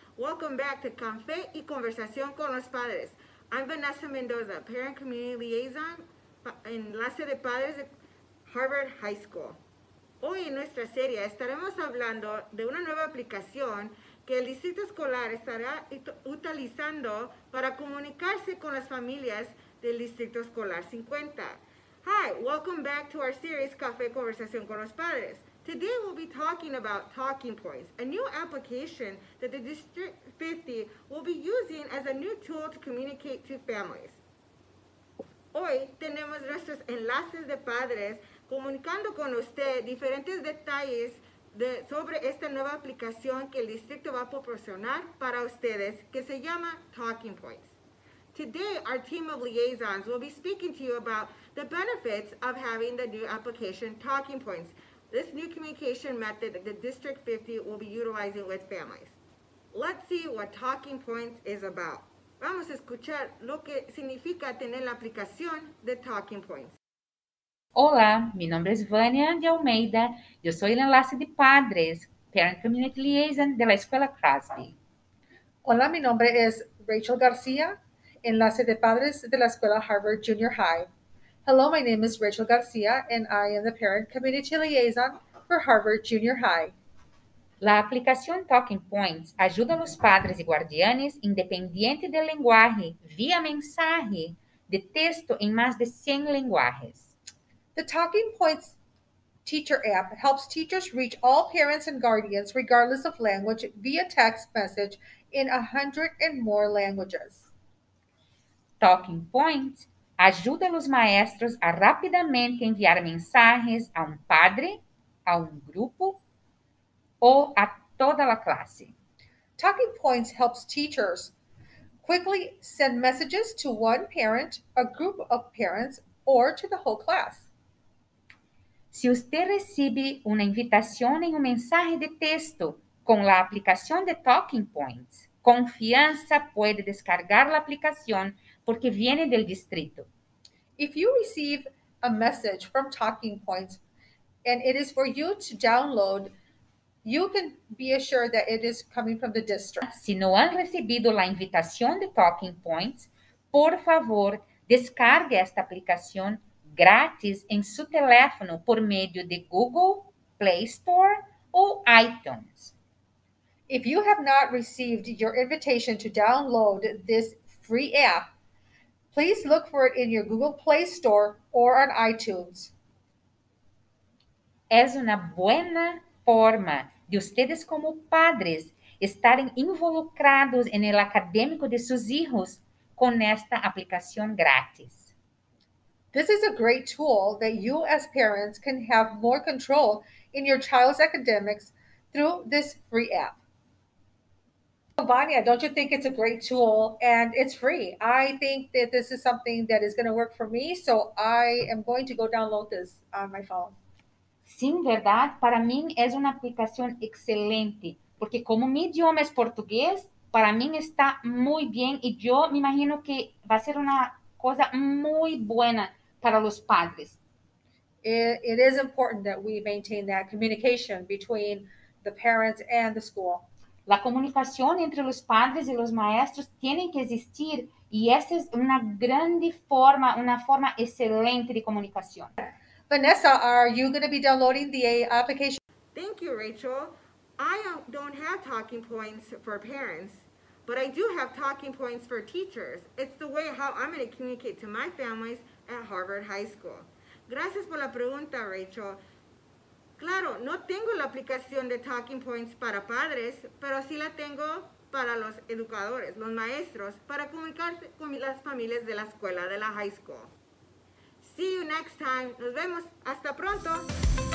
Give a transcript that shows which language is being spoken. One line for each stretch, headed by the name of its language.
English: Welcome back to Café y Conversación con los Padres. I'm Vanessa Mendoza, Parent Community Liaison,
Spanish: Enlace de Padres
English: de Harvard High School.
Spanish: Hoy en nuestra serie estaremos hablando de una nueva aplicación que el distrito escolar estará utilizando para comunicarse con las familias del Distrito Escolar 50.
English: Hi, welcome back to our series Café Conversación con los Padres. Today we'll be talking about Talking Points, a new application that the District 50 will be using as a new tool to communicate to families.
Spanish: Hoy tenemos nuestros enlaces de padres comunicando con usted diferentes detalles sobre esta nueva aplicación que el distrito va a proporcionar para ustedes que se llama Talking Points.
English: Today, our team of liaisons will be speaking to you about the benefits of having the new application Talking Points, this new communication method that the District 50 will be utilizing with families. Let's see what Talking Points is about.
Spanish: Vamos a escuchar lo que significa tener la aplicación de Talking Points. Hola, mi nombre es Vania de Almeida. Yo soy el enlace de padres,
English: Parent Community Liaison
Spanish: de la Escuela Crosby. Hola, mi nombre es Rachel García, enlace de padres de la Escuela Harvard Junior High.
English: Hello, my name is Rachel García, and I am the Parent Community Liaison for Harvard Junior High.
Spanish: La aplicación Talking Points ayuda a los padres y guardianes, independiente del lenguaje, vía mensaje de texto en más de 100 lenguajes.
English: The Talking Points teacher app helps teachers reach all parents and guardians, regardless of language, via text message in 100 and more languages.
Spanish: Talking Points ayuda a los maestros a rápidamente enviar mensajes a un padre, a un grupo, o a toda la clase.
English: Talking Points helps teachers quickly send messages to one parent, a group of parents, or to the whole class.
Spanish: Si usted recibe una invitación en un mensaje de texto con la aplicación de Talking Points, confianza puede descargar la aplicación porque viene del distrito.
English: If you receive a message from Talking Points and it is for you to download, you can be assured that it is coming from the district.
Spanish: Si no han recibido la invitación de Talking Points, por favor, descargue esta aplicación gratis en su teléfono por medio de Google, Play Store o iTunes.
English: If you have not received your invitation to download this free app, please look for it in your Google Play Store or on iTunes.
Spanish: Es una buena forma de ustedes como padres estarem involucrados en el académico de sus hijos con esta aplicación gratis.
English: This is a great tool that you as parents can have more control in your child's academics through this free app. Vania, don't you think it's a great tool and it's free? I think that this is something that is going to work for me, so I am going to go download this on my phone.
Portuguese: Sim, verdade. Para mim é uma aplicação excelente, porque como meu idioma é português, para mim está muito bem e eu me imagino que vai ser uma coisa muito boa para os padres.
English: It is important that we maintain that communication between the parents and the school.
Spanish: La comunicación entre los padres y los maestros tiene que existir y esa es una grande forma, una forma excelente de comunicación.
English: Vanessa, are you going to be downloading the application? Thank you, Rachel. I don't have talking points for parents, but I do have talking points for teachers. It's the way how I'm going to communicate to my families at Harvard High School.
Spanish: Gracias por la pregunta, Rachel. Claro, no tengo la aplicación de Talking Points para padres, pero sí la tengo para los educadores, los maestros, para comunicarse con las familias de la escuela, de la high school.
English: See you next time.
Spanish: Nos vemos. Hasta pronto.